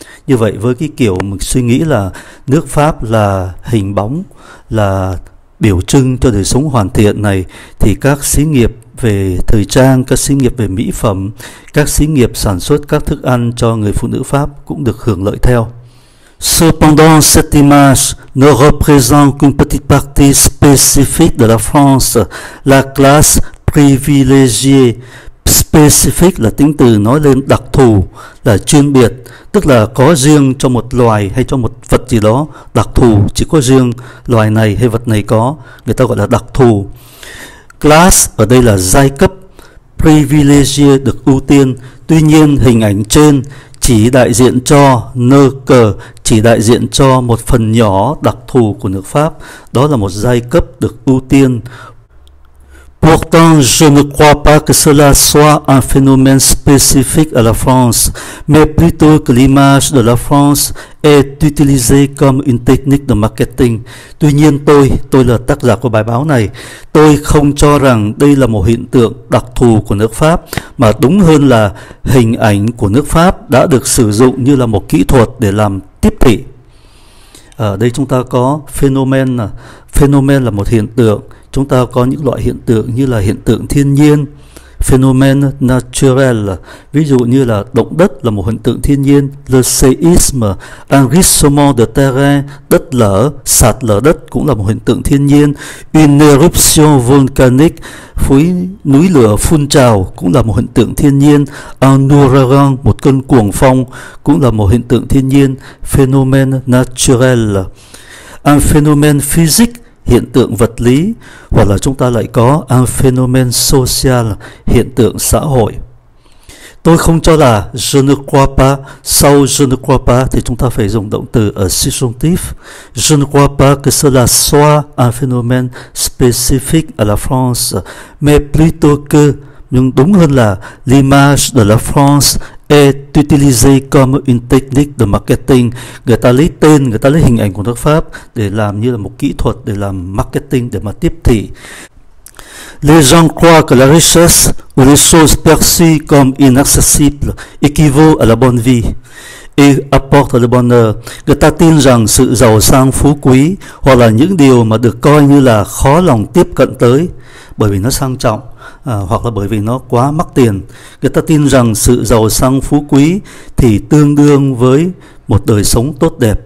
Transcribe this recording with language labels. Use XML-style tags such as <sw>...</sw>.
<vi>Như vậy với cái kiểu mình suy nghĩ là nước Pháp là hình bóng, là biểu trưng cho đời sống hoàn thiện này, thì các xí nghiệp về thời trang, các xí nghiệp về mỹ phẩm, các xí nghiệp sản xuất các thức ăn cho người phụ nữ Pháp cũng được hưởng lợi theo.</vi> <fr>Cependant, cette image ne représente qu'une petite partie spécifique de la France, la classe privilégiée.</fr> <vi>Spécifique là tính từ nói lên đặc thù, là chuyên biệt, tức là có riêng cho một loài hay cho một vật gì đó đặc thù, chỉ có riêng loài này hay vật này có, người ta gọi là đặc thù. Class ở đây là giai cấp, privilégié được ưu tiên, tuy nhiên hình ảnh trên chỉ đại diện cho nơ cờ, chỉ đại diện cho một phần nhỏ đặc thù của nước Pháp, đó là một giai cấp được ưu tiên.</vi> <fr>Pourtant, je ne crois pas que cela soit un phénomène spécifique à la France, mais plutôt que l'image de la France est utilisée comme une technique de marketing.</fr> <vi>Tuy nhiên tôi là tác giả của bài báo này, tôi không cho rằng đây là một hiện tượng đặc thù của nước Pháp, mà đúng hơn là hình ảnh của nước Pháp đã được sử dụng như là một kỹ thuật để làm tiếp thị. Ở đây chúng ta có phenomen là một hiện tượng. Chúng ta có những loại hiện tượng như là hiện tượng thiên nhiên,</vi> <fr>phenomène naturel,</fr> <vi>ví dụ như là động đất là một hiện tượng thiên nhiên,</vi> <fr>le séisme, un glissement de terrain,</fr> <vi>đất lở, sạt lở đất cũng là một hiện tượng thiên nhiên,</vi> <fr>une éruption volcanique,</fr> <vi>núi lửa phun trào cũng là một hiện tượng thiên nhiên,</vi> <fr>un ouragan,</fr> <vi>một cơn cuồng phong cũng là một hiện tượng thiên nhiên,</vi> <fr>phenomène naturel, un phenomène physique,</fr> <vi>hiện tượng vật lý, hoặc là chúng ta lại có</vi> <fr>un phénomène social,</fr> <vi>hiện tượng xã hội. Tôi không cho là</vi> <fr>je ne crois pas,</fr> <vi>sau je ne crois pas thì chúng ta phải dùng động từ ở subjonctif.</vi> <fr>Je ne crois pas que cela soit un phénomène spécifique à la France, mais plutôt que,</fr> <vi>nhưng đúng hơn là</vi> <fr>l'image de la France est utilisé comme une technique de marketing.</fr> <vi>Người ta lấy tên, người ta lấy hình ảnh của nước Pháp để làm như là một kỹ thuật để làm marketing, để mà tiếp thị.</vi> <fr>Les gens croient que la richesse ou les choses perçues comme inaccessibles équivaut à la bonne vie et apporte le bonheur.</fr> <vi>Người ta tin rằng sự giàu sang phú quý hoặc là những điều mà được coi như là khó lòng tiếp cận tới bởi vì nó sang trọng hoặc là bởi vì nó quá mắc tiền. Người ta tin rằng sự giàu sang phú quý thì tương đương với một đời sống tốt đẹp.</vi>